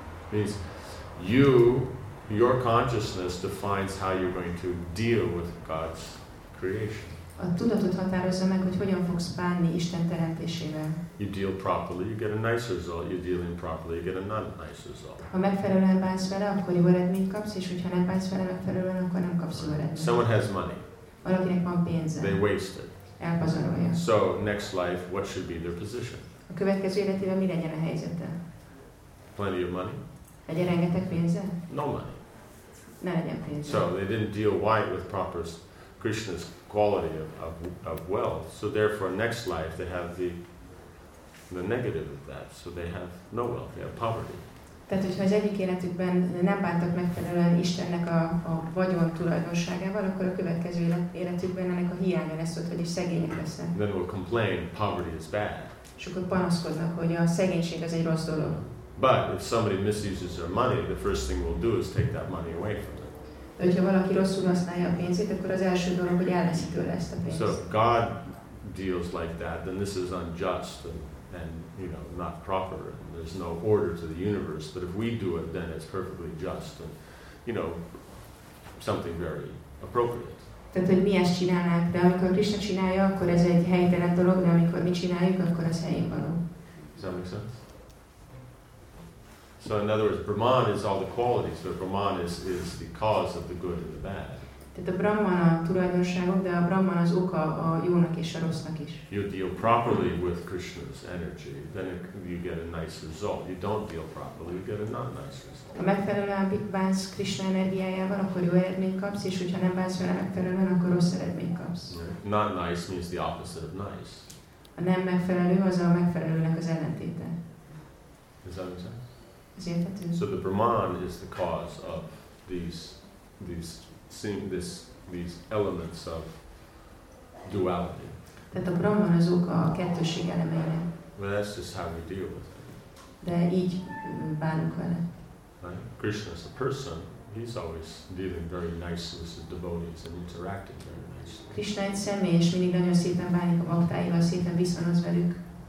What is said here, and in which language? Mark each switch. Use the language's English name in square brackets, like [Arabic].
[English] Means you, your consciousness defines how you're going to deal with God's creation. [Hungarian] A tudatot határozza meg, hogy hogyan fogsz bánni Isten teremtésével. [English] You deal properly, you get a nice result. You deal improperly, you get a not nice result. [Hungarian] Ha megfelelően bánsz vele, akkor jó eredményt kapsz, és hogyha nem bánsz vele megfelelően, akkor nem kapsz jó eredményt. [English] Someone has money. [Hungarian] Valakinek van pénze. [English] They waste it. [Hungarian] Elpazarolja. [English] So next life, what should be their position? [Hungarian] A következő életében mi legyen a helyzete? [English] Plenty of money. [Hungarian] Legyen rengeteg pénze? [English] No money. [Hungarian] Ne legyen pénze. [English] So they didn't deal right with proper Krishna's quality of wealth. So therefore, next life they have the negative of that. So they have no wealth. They have poverty. [Hungarian] Tehát, hogyha az egyik életükben nem bántak megfelelően Istennek a vagyon tulajdonságával, akkor a következő életükben ennek a hiánya lesz ott, vagyis szegények lesznek. [English] Then we'll complain, poverty is bad. [Hungarian] És akkor panaszkodnak, hogy a szegénység az egy rossz dolog. [English] But if somebody misuses their money, the first thing we'll do is take that money away from them. [Hungarian] De hogyha valaki rosszul használja a pénzét, akkor az első dolog, hogy elveszi tőle ezt a pénzt. [English] So if God deals like that, then this is unjust and you know, not proper. And there's no order to the universe. But if we do it, then it's perfectly just and you know, something very appropriate. [Hungarian] Tehát, hogy mi ezt csinálnánk, de amikor Krisna csinálja, akkor ez egy helytelen dolog, de amikor mi csináljuk, akkor az helyén való. [English] Does that make sense? So in other words, Brahman is all the qualities, but Brahman is the cause of the good and the bad. [Hungarian] Tehát a Brahman a tulajdonságok, de a Brahman az oka a jónak és a rossznak is. [English] You deal properly with Krishna's energy, then you get a nice result. You don't deal properly, you get a not nice result. [Hungarian] Ha megfelelően bánsz Krishna energiájával, akkor jó eredményt kapsz, és hogyha nem bánsz vele megfelelően, akkor rossz eredményt kapsz. [English] Yeah. Not nice means the opposite of nice. [Hungarian] A nem megfelelő az a megfelelőnek az ellentéte. [English] Is that what I'm saying? So the Brahman is the cause of these elements of duality. [Hungarian] Tehát a Brahman az oka a kettősség elemeinek. [English] Well, that's just how we deal with it. [Hungarian] De így bánunk vele. [English] Right? Krishna is a person. He's always dealing very nicely with the devotees and interacting very nicely. [Hungarian] Krishna egy személy, és mindig nagyon szépen bánik a baktáival, szépen viszonoz velük.